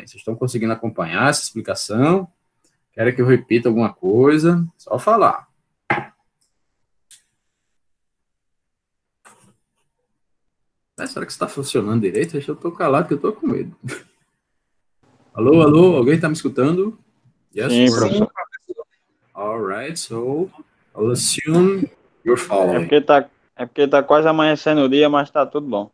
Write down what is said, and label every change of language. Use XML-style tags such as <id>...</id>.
<pt>Vocês estão conseguindo acompanhar essa explicação? Quero que eu repita alguma coisa, só falar. Mas será que está funcionando direito? Eu estou calado, que eu estou com medo. Alô, alô, alguém está me escutando? Yes, sim, professor.</pt> <en>All right, so I'll assume you're following.</en> <pt>É porque tá quase amanhecendo o dia, mas está tudo bom.</pt>